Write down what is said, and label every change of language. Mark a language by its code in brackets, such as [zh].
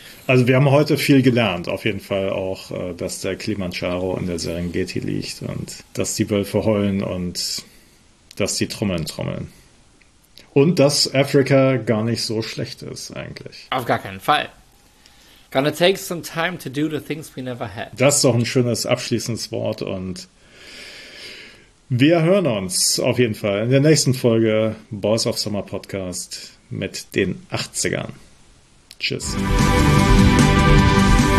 [de] Also wir haben heute viel gelernt, auf jeden Fall auch, dass der Kilimandscharo in der Serengeti liegt und dass die Wölfe heulen und dass die Trommeln trommeln. Und dass Afrika gar nicht so schlecht ist eigentlich. Auf gar keinen Fall. [en] Gonna take some time to do the things we never had. [de] Das ist doch ein schönes abschließendes Wort und wir hören uns auf jeden Fall in der nächsten Folge Boys of Summer Podcast mit den 80ern. Tschüss. [en] We'll be right back.